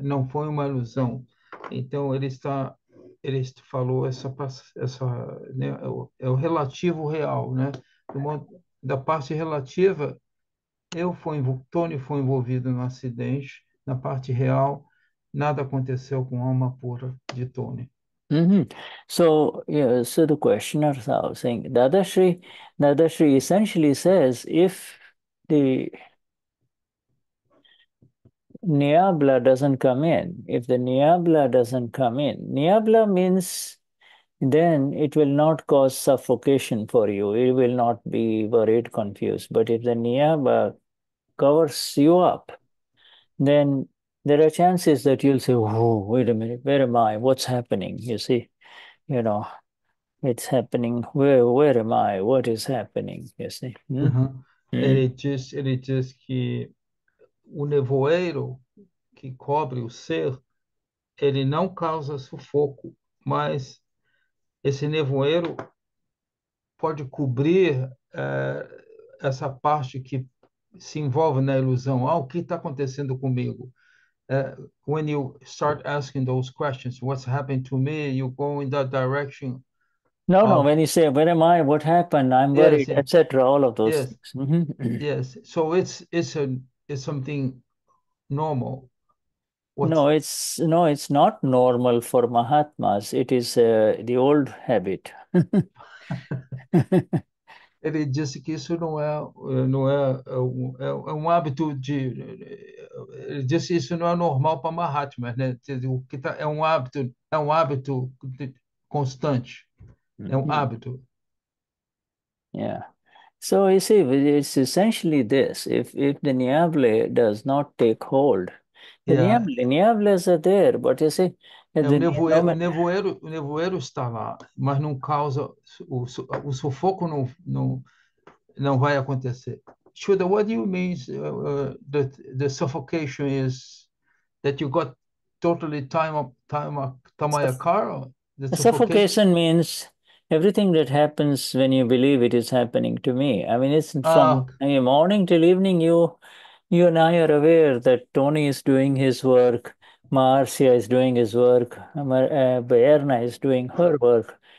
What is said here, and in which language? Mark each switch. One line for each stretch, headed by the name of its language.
Portuguese: Não foi uma ilusão. Então ele falou né? É o relativo real, né? Da parte relativa, Tony foi envolvido no acidente. Na parte real, nada aconteceu com a alma pura de Tony.
English: So the questioners are saying Dadashi essentially says if the niyabla doesn't come in, if the niyabla doesn't come in, niyabla means then it will not cause suffocation for you. It will not be worried, confused. But if the niyabla covers you up, then there are chances that you'll say, oh, wait a minute, where am I? What's happening? You see, you know, it's happening. Where am I? What is happening? You see?
Portuguese: Ele diz que o nevoeiro que cobre o ser, ele não causa sufoco, mas esse nevoeiro pode cobrir essa parte que se envolve na ilusão. Ah, o que está acontecendo comigo?
English: When you start asking those questions, what's happened to me? You go in that direction No, of when you say, where am I? What happened? I'm worried, etc. All of those things. So it's something normal. What's No, it's not normal for Mahatmas. It is the old habit.
Portuguese: Ele disse que isso não é um hábito ele disse que isso não é normal para Mahatma, né? O que tá, é um hábito constante. É um hábito.
English: So you see, it's essentially this. If the niyabla does not take hold, the niyablas are there, but you see, at
Portuguese: É
English: the moment.
Portuguese: o nevoeiro está lá, mas não causa o sufoco não vai acontecer.
English: Shuddha, what do you mean that the suffocation is that you got totally tamayakara, the suffocation? Suffocation means Everything that happens when you believe it is happening to me. I mean, it's from Ah. morning till evening, you and I are aware that Tony is doing his work, Marcia is doing his work, Berna is doing her work.